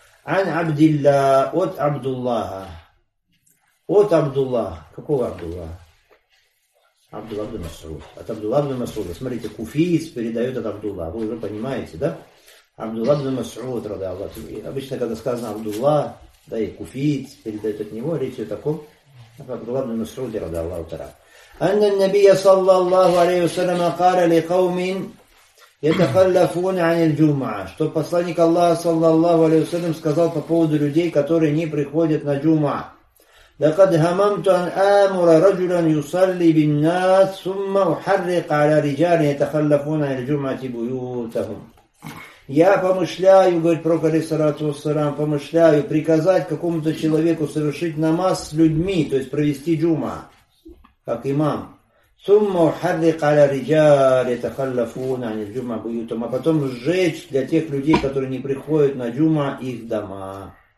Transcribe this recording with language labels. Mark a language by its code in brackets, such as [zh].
[ar] Ан Абдилля, [ru] от Абдуллаха. От Абдуллаха. Какого Абдуллаха? Абдулла ибн Масуд. От Абдулла ибн Масуда. Смотрите, куфиец передает от Абдулла. Вы уже понимаете, да? Абдулла ибн Масуд, рады Аллах. Обычно, когда сказано Абдулла, да и куфиец передает от него, речь о таком. Абдулла ибн Масуд, рады Аллах. [ar] أن النبي صلى الله عليه وسلم قال لقوم يتخلفون عن الجمعة. [ru] Что посланник Аллаха [ar] صلى الله عليه وسلم [ru] сказал по поводу людей, которые не приходят на جمعة. [ar] لقد هممت أن آمر رجلا يصلي بالناس ثم أحرق على رجال يتخلفون عن الجمعة بيوتهم. [ru] Я помышляю, говорит пророк [ar] алейхиссалату вассалям, [ru] помышляю приказать какому-то человеку совершить намаз с людьми, то есть провести جمعة. Как имам, [ar] Сумма ухаррик аля риджали тахаллафуна ани джума буютом. [ru] А потом сжечь для тех людей, которые не приходят на джума, их дома.